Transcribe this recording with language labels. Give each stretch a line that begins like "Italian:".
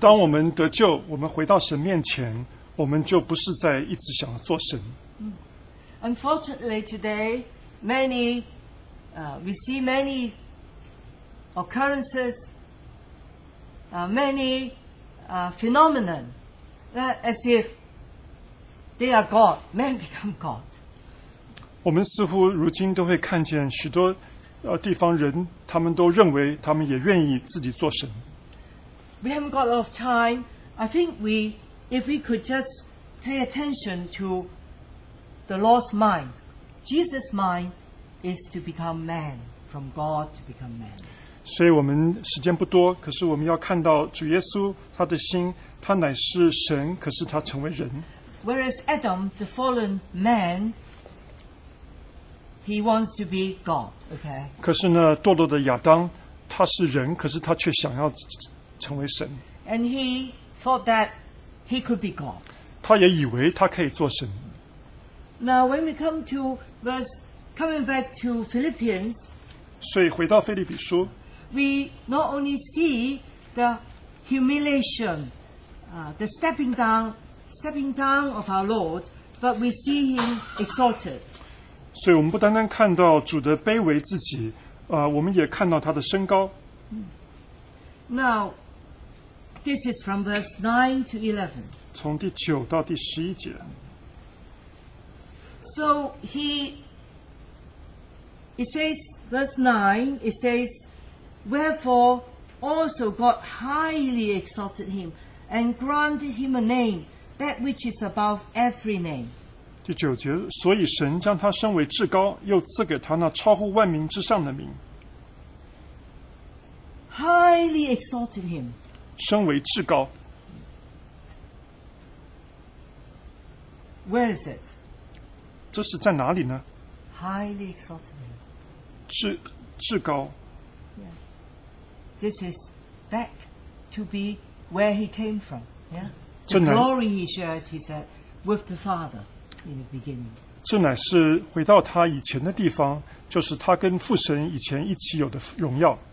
Chinese: 当我们得救, 我们回到神面前, 我们就不是在一直想做神。
English: Unfortunately, today, we see many occurrences, many phenomenon that as if they are God, men become God.
Chinese: 我们似乎如今都会看见许多 地方人, 他们都认为, 他们也愿意自己做神。
English: We haven't got a lot of time. I think if we could just pay attention to the Lord's mind. Jesus' mind is to become man, from God to become man.
Chinese: 所以我们时间不多, 可是我们要看到主耶稣, 他的心, 他乃是神, 可是他成为人。
English: Whereas Adam, the fallen man, he wants to be God, okay?
Chinese: 可是呢, 堕落的亚当, 他是人, 可是他却想要成为神。
English: And he thought that he could be God.
Chinese: 他也以为他可以做神。
English: Now when we come to verse, coming back to Philippians,
Chinese: 所以回到腓立比书,
English: we not only see the humiliation, the stepping down of our Lord, but we see him exalted.
Chinese: 所以我们不单单看到主的卑微自己, 我们也看到他的身高。
English: Now, this is from verse 9 to 11.
Chinese: 从第9到第11节。
English: So it says, verse 9, it says, wherefore also God highly exalted him and granted him a name, that which is above every name.
Chinese: 第9节, 所以神将他升为至高, 又赐给他那超乎万民之上的名。
English: Highly exalted him.
Chinese: 升为至高。
English: Where is it?
Chinese: 这是在哪里呢?
English: Highly exalted him.
Chinese: 至高。
English: Yeah. This is back to be where he came from. Yeah? The glory he shared, he said, with the Father in the beginning.
Chinese: 这乃是回到他以前的地方, 就是他跟父神以前一起有的荣耀。